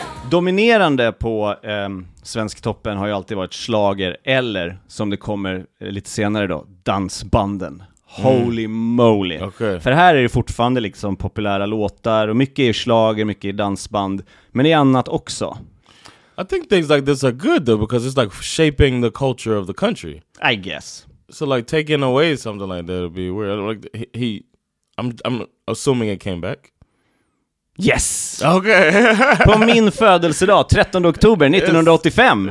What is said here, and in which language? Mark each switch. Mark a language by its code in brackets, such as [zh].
[sv] Dominerande på svensktoppen har ju alltid varit slager, eller som det kommer lite senare då, dansbanden. [en] Holy moly. Okay. [sv] För här är det fortfarande liksom populära låtar, och mycket är slager, mycket är dansband, men det är annat också. [en] I think things like this are good though, because it's like shaping the culture of the country. I guess. So like taking away something like that would be weird. Like I'm assuming it came back. Yes. Okay. [sv] På min födelsedag 13 oktober 1985.